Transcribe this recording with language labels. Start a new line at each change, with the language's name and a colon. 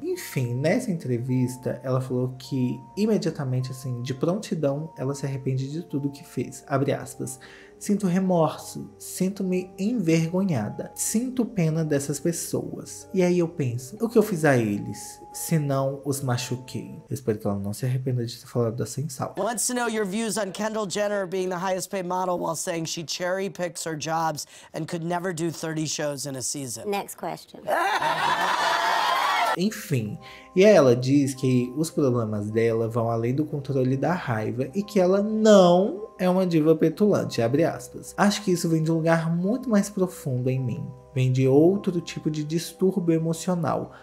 Portuguese: Enfim, nessa entrevista, ela falou que imediatamente, assim, de prontidão, ela se arrepende de tudo que fez. Abre aspas. Sinto remorso. Sinto-me envergonhada. Sinto pena dessas pessoas. E aí eu penso, o que eu fiz a eles, se não os machuquei? Eu espero que ela não se arrependa de ter falado da Sem Sal.
English: Wants to know your views on Kendall Jenner being the highest paid model while saying she cherry picks her jobs and could never do 30 shows in a season. Next question.
Portuguese: Enfim, e ela diz que os problemas dela vão além do controle da raiva e que ela não é uma diva petulante, abre aspas. Acho que isso vem de um lugar muito mais profundo em mim. Vem de outro tipo de distúrbio emocional.